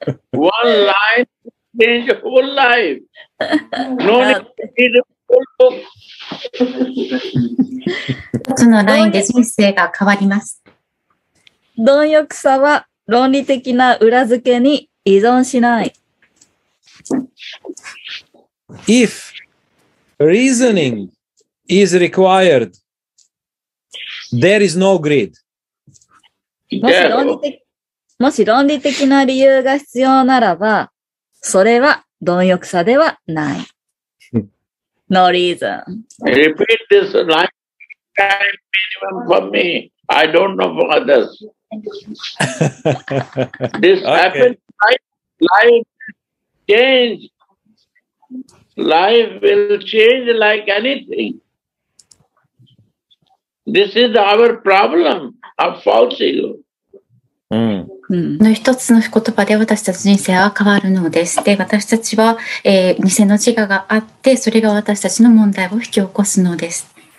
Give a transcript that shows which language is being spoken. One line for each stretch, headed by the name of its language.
English: One line change your whole life. No need to read a whole book.
Japanese: 一つのラインで人生が変わります。貪欲さは論理的な裏付けに依存しない。
English: If reasoning is required, there is no greed.
Japanese: もし論理的な理由が必要ならば、それは貪欲さではない。
English: No reason. Repeat this line time minimum for me. I don't know for others. This happens. Life change. Life will change like anything. This is our problem of false ego.
Japanese: の一つの言葉で私たち人生は変わるのです。で、私たちは、偽の自我があって、それが私たちの問題を引き起こすのです。